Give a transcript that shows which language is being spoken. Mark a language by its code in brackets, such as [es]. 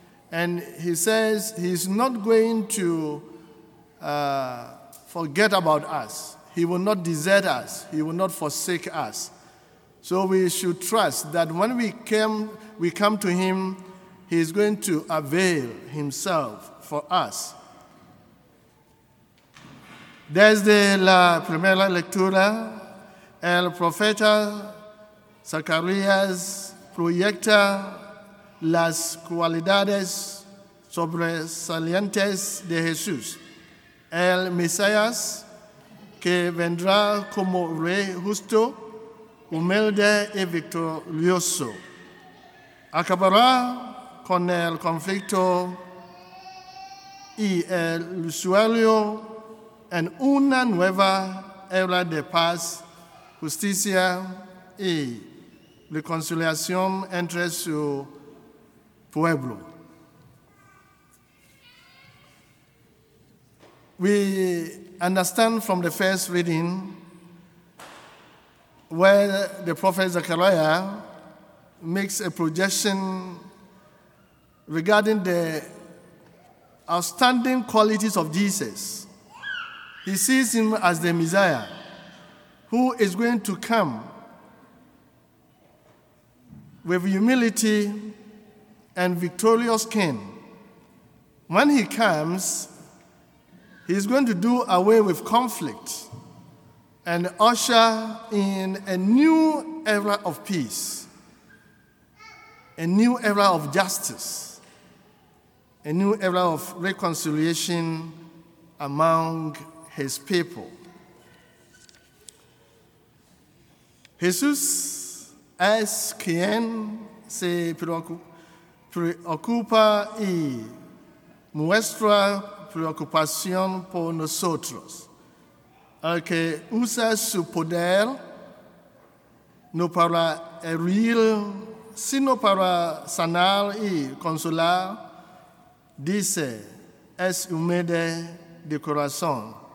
[en] And He says He's not going to forget about us. He will not desert us. He will not forsake us. So we should trust that when we come to Him, He is going to avail Himself for us. [es] Desde la primera lectura, el profeta Zacarías proyecta las cualidades sobresalientes de Jesús, el Mesías, que vendrá como rey justo, humilde y victorioso. Acabará con el conflicto y el usuario en una nueva era de paz, justicia y reconciliación entre su pueblo. [en] We understand from the first reading where the prophet Zechariah makes a projection regarding the outstanding qualities of Jesus. He sees Him as the Messiah who is going to come with humility and victorious king. When He comes, He is going to do away with conflict and usher in a new era of peace, a new era of justice, a new era of reconciliation among His people. [es] Jesús es quien se preocupa y muestra preocupación por nosotros, el que usa su poder no para herir, sino para sanar y consolar, dice, es humilde de corazón.